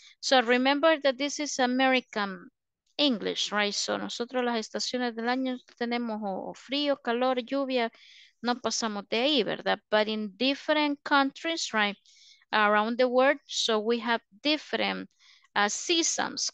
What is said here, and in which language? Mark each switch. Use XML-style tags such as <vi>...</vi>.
<en>So remember that this is American English, right?</en> <es>So nosotros las estaciones del año tenemos frío, calor, lluvia, no pasamos de ahí, ¿verdad?</es> <en>But in different countries, right, around the world, so we have different seasons.</en>